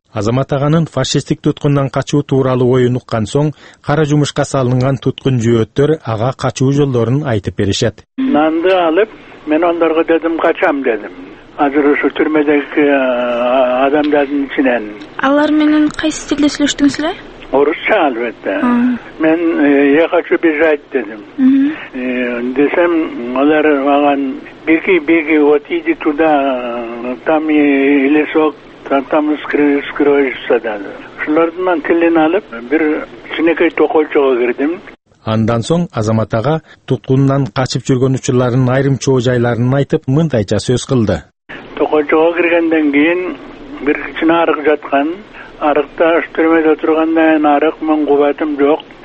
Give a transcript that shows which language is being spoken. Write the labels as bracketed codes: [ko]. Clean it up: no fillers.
[ky] Азамат аганын фашисттик туткундан качуу тууралуу оюн уккан соң кара жумушка салынган туткун жүйөттөр ага качуу жолдорун айтып беришет. Нанды алып мен ондорго дедим качам дедим. азыр ушу түрмөдөгү адамдардын ичинен. Алар менен кайсы тилде сүйлөштүңүз эле? Орусча албетте. Мен [ru] я хочу бежать [ky] дедим. Десем алар маган [ru] беги беги вот иди туда там и лесок там скрываешься дады. [ky] Ошолордун мен тилин алып бир кичинекей токойчого кирдим. Андан соң Азамат ага туткунунан качып жүргөн учурларынын айрым чоо жайларын айтып мындайча сөз кылды. Токойчого киргенден кийин бир кичине арык жаткан. Арыкта түрмөдө отургандан кийин арык мен кубатым жок.